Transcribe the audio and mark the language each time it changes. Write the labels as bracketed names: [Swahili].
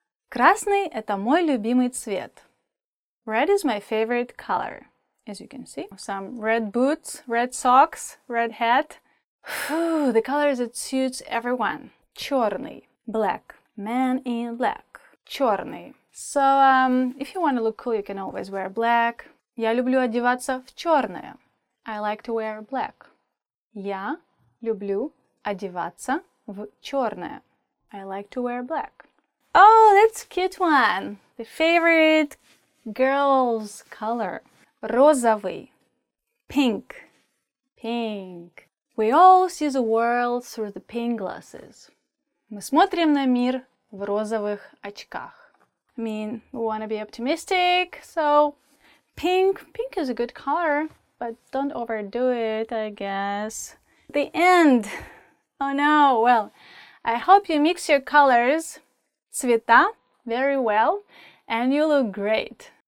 [Russian] Красный – это мой любимый цвет. [English] Red is my favorite color, as you can see. Some red boots, red socks, red hat. Whew, the color that suits everyone. Черный. Black. Man in black. Черный. So, if you want to look cool, you can always wear black. [Russian] Я люблю одеваться в черное. [English] I like to wear black. [Russian] Я люблю одеваться в черное. [English] I like to wear black. Oh, that's a cute one. The favorite girl's color. Розовый. Pink. Pink. We all see the world through the pink glasses. [Russian] Мы смотрим на мир в розовых очках. [English] I mean, we want to be optimistic, so pink. Pink is a good color, but don't overdo it, I guess. The end. Oh no, well, I hope you mix your colors, цвета, very well, and you look great.